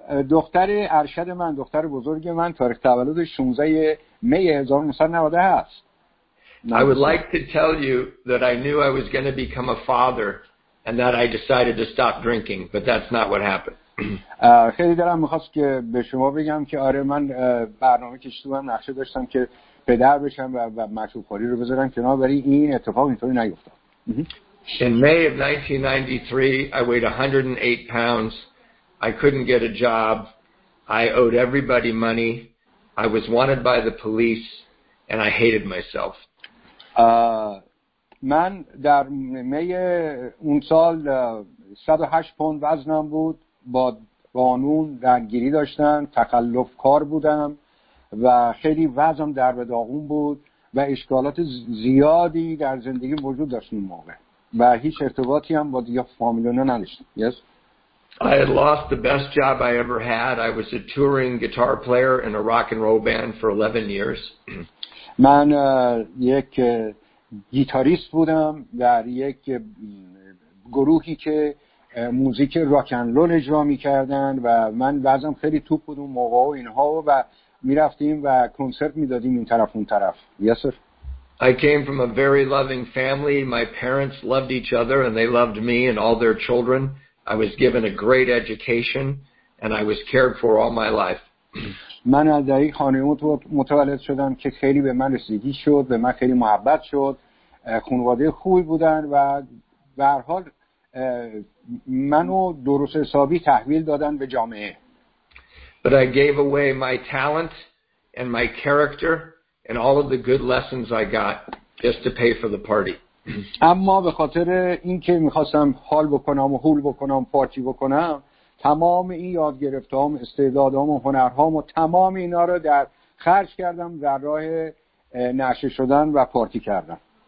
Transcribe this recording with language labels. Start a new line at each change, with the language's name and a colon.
Persian: دختر ارشد من، دختر بزرگ من، تاریخ تولد 16 می 1990 هست.
English: I would like to tell you that I knew I was going to become a father and that I decided to stop drinking, but that's not what happened.
Persian: خیلی دلم می‌خواست که به شما بگم که آره، من برنامه کشیده بودم، نقشه داشتم که پدر بشم و مشروب خوری رو بذارم کنار، ولی این اتفاق اینطوری نیفتاد.
English: In May of 1993, I weighed 108 pounds. I couldn't get a job. I owed everybody money. I was wanted by the police and I hated myself.
Persian: من در می اون سال 108 پوند وزنم بود. با قانون درگیری داشتم، تخلف کار بودم و خیلی وضعم در به داغون بود و اشکالات زیادی در زندگی وجود داشت اون موقع و هیچ ارتباطی هم با دیگه فامیلونه نداشتم.
English: Yes. I had lost the best job I ever had. I was a touring guitar player in a rock and roll band for 11 years.
Persian: من یک گیتاریست بودم در یک گروهی که موزیک راک اند رول اجرا می‌کردن و من بعضی‌ام خیلی توپ بود اون موقع و اینها و می‌رفتیم و کنسرت می‌دادیم این طرف اون طرف.
English: Yes, sir. I came from a very loving family. My parents loved each other and they loved me and all their children. I was given a great education and I was cared for all my life.
Persian: من در یک خانه متولد شدم که خیلی به من رسیدگی شد، به من خیلی محبت شد، خانواده خوبی بودن و به هر حال منو درست حسابی تحویل دادن به جامعه.
English: But I gave away my talent and my character and all of the good lessons I got just to pay for the party.
Persian: اما به خاطر اینکه می‌خواستم حال بکنم و هول بکنم پارتی بکنم، تمام این یاد گرفتم، استعدادام و هنرهام و تمام اینا رو در خرج کردم در راه نشه شدن و پارتی کردم.